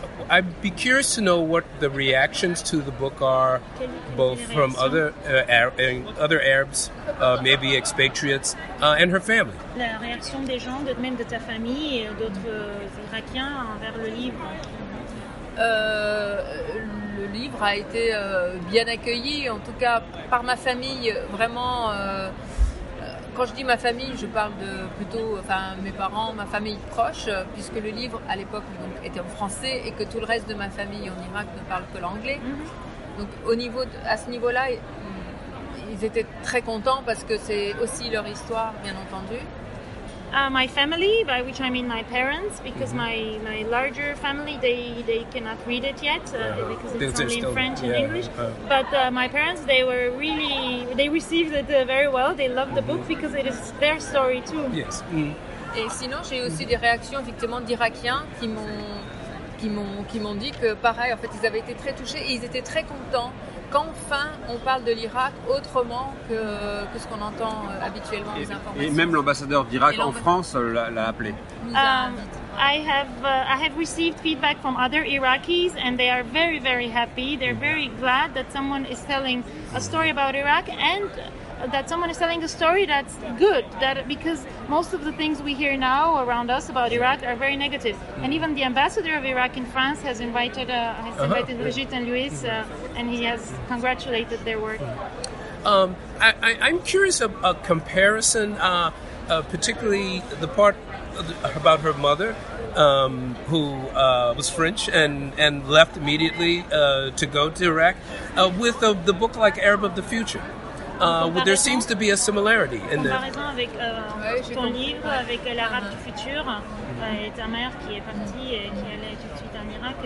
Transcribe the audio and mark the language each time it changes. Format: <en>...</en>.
<en>I'd be curious to know what the reactions to the book are, both from other other Arabs, maybe expatriates, and her family.</en> <fr>La réaction des gens, même de ta famille et d'autres Irakiens envers le livre. Le livre a été bien accueilli, en tout cas par ma famille, vraiment. Quand je dis ma famille, je parle de plutôt enfin, mes parents, ma famille proche, puisque le livre, à l'époque, donc, était en français et que tout le reste de ma famille en Irak ne parle que l'anglais. Mm-hmm. Donc à ce niveau-là, ils étaient très contents parce que c'est aussi leur histoire, bien entendu.</fr> <en>My family, by which I mean my parents, because my larger family, they cannot read it yet, because it's only in French and English. But my parents, they received it very well. They loved the book because it is their story too. Yes.</en> <fr>Et sinon, j'ai aussi des réactions effectivement d'Irakiens qui m'ont dit que pareil, en fait, ils avaient été très touchés et ils étaient très contents. Qu'enfin on parle de l'Irak autrement que ce qu'on entend habituellement aux informations. Et même l'ambassadeur d'Irak en France l'a appelé.</fr> <en>I have received feedback from other Iraqis and they are very very happy. They're very glad that someone is telling a story about Iraq and that someone is telling a story that's good, that because most of the things we hear now around us about Iraq are very negative. Mm-hmm. And even the ambassador of Iraq in France has invited invited Brigitte and Luis, and he has congratulated their work. I'm curious of a comparison, particularly the part about her mother, who was French and left immediately to go to Iraq, with the book like Arab of the Future. There seems to be a similarity in the</en> <fr>comparison avec ton livre avec l'Arabe du futur et ta mère qui est partie et qui allait tout de suite en Irak.</fr>